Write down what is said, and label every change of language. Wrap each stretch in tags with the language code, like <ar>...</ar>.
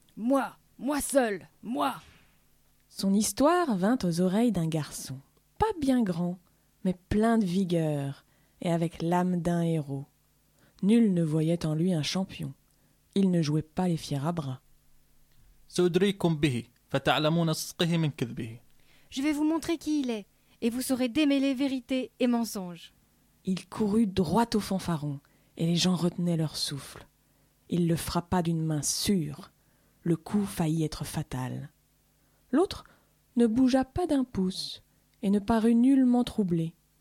<fr>Moi, moi seul, moi. Son histoire vint aux oreilles d'un garçon, pas bien grand, mais plein de vigueur et avec l'âme d'un héros. Nul ne voyait en lui un champion. Il ne jouait pas les fiers à bras.</fr> <ar>سأدريكم به فتعلمون صدقه من كذبه.</ar> <fr>Je vais vous montrer qui il est et vous saurez démêler vérité et mensonge. Il courut droit au fanfaron et les gens retenaient leur souffle. Il le frappa d'une main sûre. Le coup faillit être fatal. L'autre ne bougea pas d'un pouce et ne parut nullement troublé.</fr>